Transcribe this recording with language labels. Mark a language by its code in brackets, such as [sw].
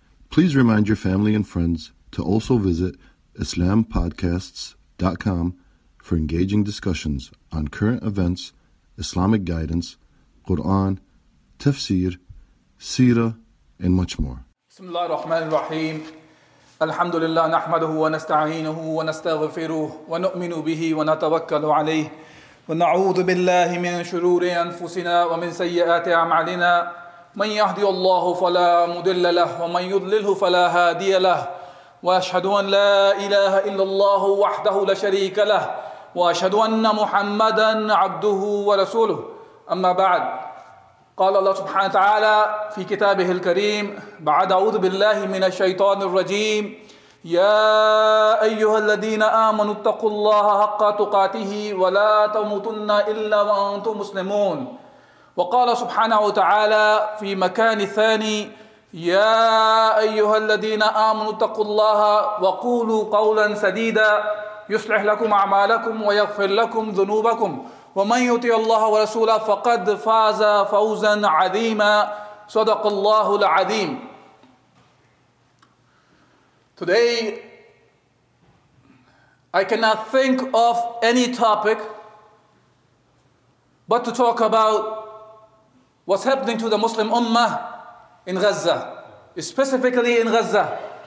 [en] Please remind your family and friends to also visit IslamPodcasts.com for engaging discussions on current events, Islamic guidance, Quran, tafsir, seerah, and much more. [ar] Bismillah ar-Rahman ar-Rahim. الحمد لله نحمده ونستعينه ونستغفره ونؤمن به ونتوكل عليه ونعوذ بالله من شرور أنفسنا ومن سيئات أعمالنا من يهدي الله فلا مضل له ومن يضلله فلا هادي له وأشهد أن لا إله إلا الله وحده لا شريك له وأشهد أن محمدا عبده ورسوله أما بعد قال الله سبحانه وتعالى في كتابه الكريم بعد أعوذ بالله من الشيطان الرجيم يا أيها الذين آمنوا اتقوا الله حق تقاته ولا تموتن إلا وأنتم مسلمون وقال سبحانه وتعالى في مكان ثاني يا أيها الذين آمنوا اتقوا الله وقولوا قولا سديدا يصلح لكم أعمالكم ويغفر لكم ذنوبكم وَمَنْ يُطِعِ اللَّهَ وَرَسُولَهُ فَقَدْ فَازَ فَوْزًا عَظِيمًا صَدَقَ اللَّهُ الْعَظِيمُ. [en] Today, I cannot think of any topic but to talk about what's happening to the Muslim Ummah in Gaza, specifically in Gaza.